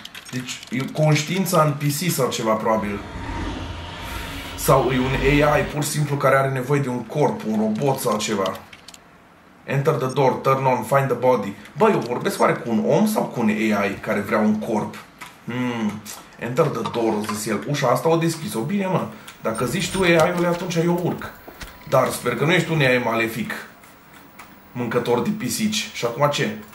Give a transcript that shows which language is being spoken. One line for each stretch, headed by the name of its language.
Romanian: Deci e conștiința în PC sau ceva probabil. Sau e un AI pur și simplu care are nevoie de un corp, un robot sau ceva.
English: Enter the door, turn on, find the body.
Romanian: Bă, eu vorbesc oare cu un om sau cu un AI care vrea un corp?
English: Enter the door,
Romanian: zis el. Ușa asta o deschis-o. Bine, mă. Dacă zici tu AI-ului, atunci eu urc. Dar sper că nu ești un AI malefic. Mâncător de pisici. Și acum ce?